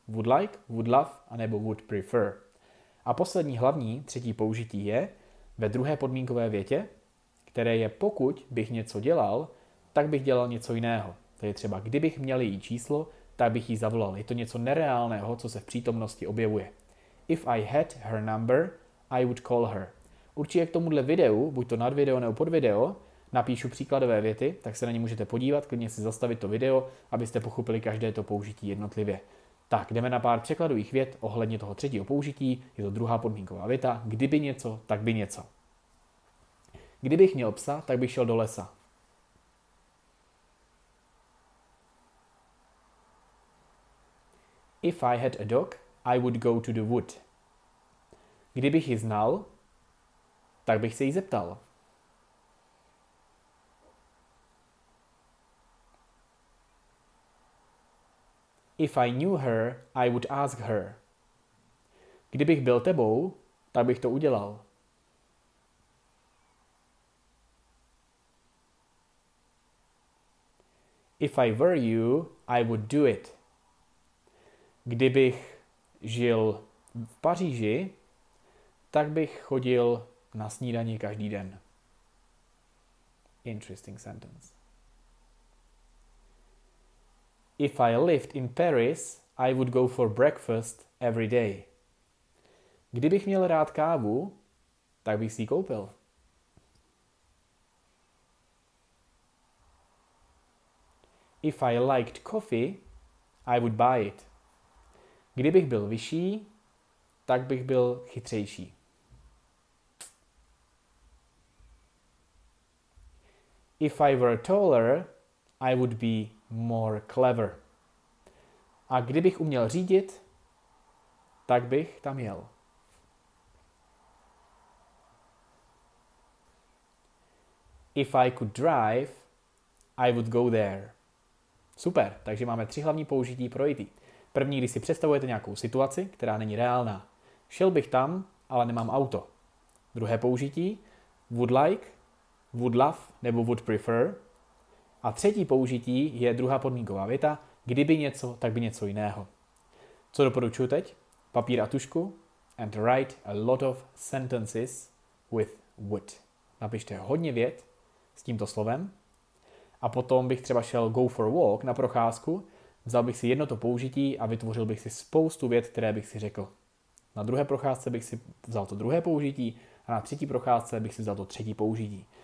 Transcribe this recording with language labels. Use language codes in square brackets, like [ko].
[en] Would like, would love, [cs] anebo [en] would prefer. [cs] A poslední hlavní, třetí použití je ve druhé podmínkové větě, které je pokud bych něco dělal, tak bych dělal něco jiného. To je třeba kdybych měl její číslo, tak bych jí zavolal. Je to něco nereálného, co se v přítomnosti objevuje. [en] If I had her number, I would call her. [cs] Určitě k tomuhle videu, buď to nad video nebo pod video, napíšu příkladové věty, tak se na ně můžete podívat, klidně si zastavit to video, abyste pochopili každé to použití jednotlivě. Tak, jdeme na pár překladových vět ohledně toho třetího použití. Je to druhá podmínková věta. Kdyby něco, tak by něco. Kdybych měl psa, tak bych šel do lesa. [en] If I had a dog, I would go to the wood. [cs] Kdybych ji znal, tak bych se jí zeptal. [en] If I knew her, I would ask her. [cs] Kdybych byl tebou, tak bych to udělal. [en] If I were you, I would do it. [cs] Kdybych žil v Paříži, tak bych chodil na snídani každý den. [en] Interesting sentence. If I lived in Paris, I would go for breakfast every day. [cs] Kdybych měl rád kávu, tak bych si ji koupil. [en] If I liked coffee, I would buy it. [cs] Kdybych byl vyšší, tak bych byl chytřejší. [en] If I were taller, I would be more clever. [cs] A kdybych uměl řídit, tak bych tam jel. [en] If I could drive, I would go there. [cs] Super, takže máme tři hlavní použití pro IT. První, když si představujete nějakou situaci, která není reálná. Šel bych tam, ale nemám auto. Druhé použití, [en] would like, would love nebo would prefer. [cs] A třetí použití je druhá podmínková věta, kdyby něco, tak by něco jiného. Co doporučuji teď? Papír a tušku [en] and write a lot of sentences with would. [cs] Napište hodně vět s tímto slovem. A potom bych třeba šel [en] go for a walk [cs] na procházku, vzal bych si jedno to použití a vytvořil bych si spoustu vět, které bych si řekl. Na druhé procházce bych si vzal to druhé použití a na třetí procházce bych si vzal to třetí použití.